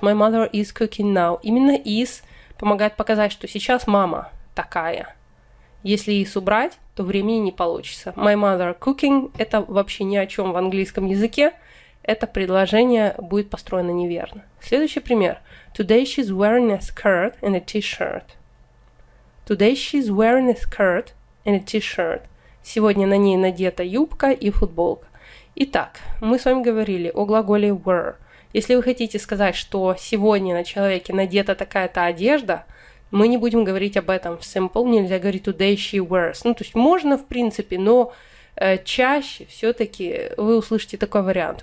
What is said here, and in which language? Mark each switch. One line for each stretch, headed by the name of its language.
English: My mother is cooking now.
Russian: Именно is помогает показать, что сейчас мама такая. Если is убрать, то времени не получится.
English: My mother cooking
Russian: – это вообще ни о чем в английском языке. Это предложение будет построено неверно. Следующий пример.
English: Today she's wearing a skirt and a t-shirt. Today she's wearing a skirt and a t-shirt.
Russian: Сегодня на ней надета юбка и футболка. Итак, мы с вами говорили о глаголе wear. Если вы хотите сказать, что сегодня на человеке надета такая-то одежда, мы не будем говорить об этом в simple. Нельзя говорить
English: today she wears.
Russian: Ну, то есть можно, в принципе, но чаще все-таки вы услышите такой вариант.